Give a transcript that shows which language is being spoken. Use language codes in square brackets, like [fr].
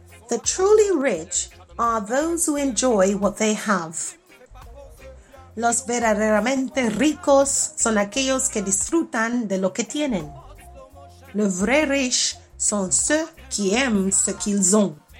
[en] The truly rich are those who enjoy what they have. [es] Los verdaderamente ricos son aquellos que disfrutan de lo que tienen. [fr] Le vrai riche son ceux qui aiment ce qu'ils ont.